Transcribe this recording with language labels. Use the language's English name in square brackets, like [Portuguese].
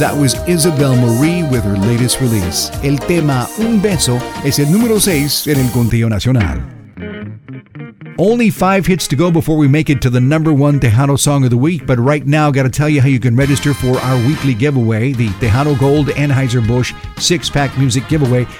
[English] That was Isabel Marie with her latest release. [Spanish] El tema Un Beso es el número 6 en el conteo nacional. [English] Only 5 hits to go before we make it to the number 1 Tejano song of the week. But right now, gotta tell you how you can register for our weekly giveaway, the Tejano Gold Anheuser-Busch 6-pack music giveaway.